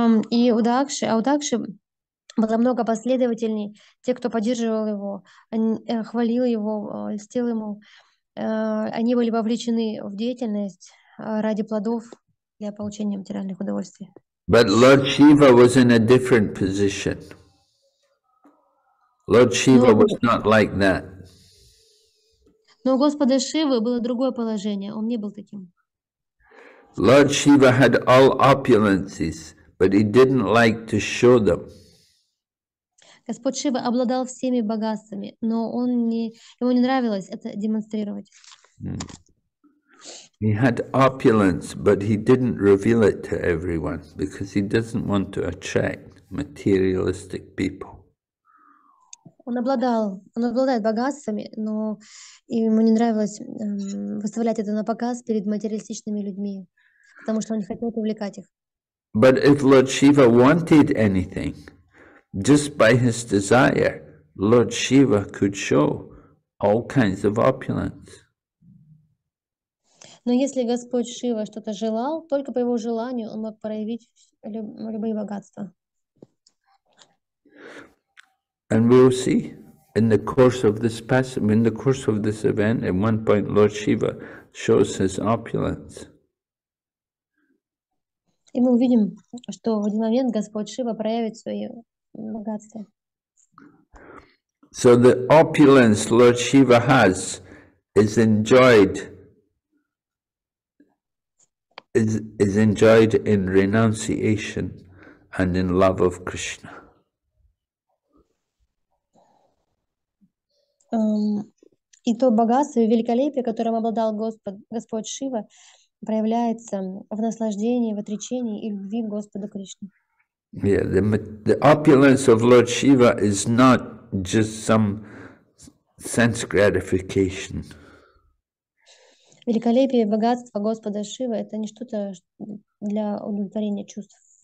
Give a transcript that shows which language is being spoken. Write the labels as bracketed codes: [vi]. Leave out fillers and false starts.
[ru] И у Дакши было много последователей, те, кто поддерживал его, хвалил его, льстил ему. Они были вовлечены в деятельность ради плодов для получения материальных удовольствий. [en] But Lord Shiva was in a different position. Lord Shiva was not like that. [ru] Но у Господа Шивы было другое положение, он не был таким. [en] Lord Shiva had all opulences, but he didn't like to show them. [ru] Господь Шива обладал всеми богатствами, но ему не нравилось это демонстрировать. [en] He had opulence, but he didn't reveal it to everyone because he doesn't want to attract materialistic people. [ru] Он обладает богатствами, но ему не нравилось выставлять это на показ перед материалистичными людьми, потому что он не хотел привлекать их. [en] But if Lord Shiva wanted anything, just by his desire, Lord Shiva could show all kinds of opulence. [ru] Но если Господь Шива что-то желал, только по его желанию он мог проявить любые богатства. [en] And we will see in the course of this passage, in the course of this event, at one point Lord Shiva shows his opulence. [ru] И мы увидим, что в один момент Господь Шива проявит свои богатства. [en] So the opulence Lord Shiva has is enjoyed in renunciation and in love of Krishna. [ru] И то богатство и великолепие, которым обладал Господь Шива, проявляется в наслаждении, в отречении и любви к Господу Кришне. [en] Yeah, the opulence of Lord Shiva is not just some sense gratification. [ru] Великолепие и богатство Господа Шива — это не что-то для удовлетворения чувств.